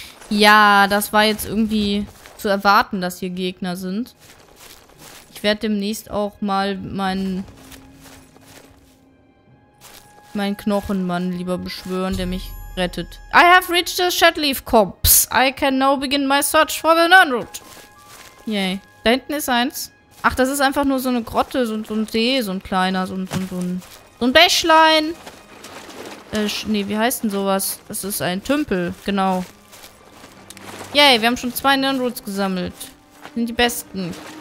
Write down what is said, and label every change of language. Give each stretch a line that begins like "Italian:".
German: Ja, das war jetzt irgendwie zu erwarten, dass hier Gegner sind. Ich werde demnächst auch mal meinen Knochenmann lieber beschwören, der mich rettet.
English: I have reached the Shadleaf Corps. I can now begin my search for the Nern Root. Yay.
German: Da hinten ist eins. Ach, das ist einfach nur so eine Grotte, so ein See, so ein kleiner, so ein Bächlein. Nee, wie heißt denn sowas? Das ist ein Tümpel, genau. Yay, wir haben schon zwei Nern Roots gesammelt. Sind die besten.